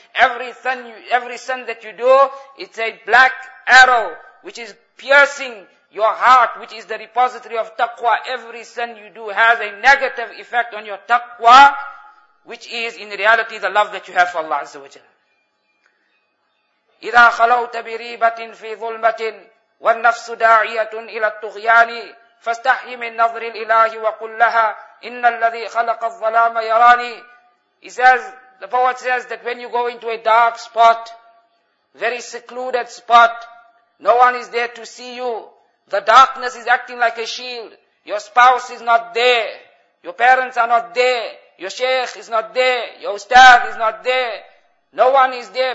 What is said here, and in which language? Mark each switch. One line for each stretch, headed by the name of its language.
English: Every sin that you do, it's a black arrow, which is piercing your heart, which is the repository of taqwa. Every sin you do has a negative effect on your taqwa, which is in reality the love that you have for Allah Azza wa Jalla.
Arabic: إذا خلوت بريبة في ظلمة والنفس داعية إلى الطغيان فاستحي من نظر الإله وقل لها إن الذي خلق الظلام يراني.
English: He says, the poet says that when you go into a dark spot, very secluded spot, no one is there to see you. The darkness is acting like a shield. Your spouse is not there. Your parents are not there. Your sheikh is not there. Your ustad is not there. No one is there.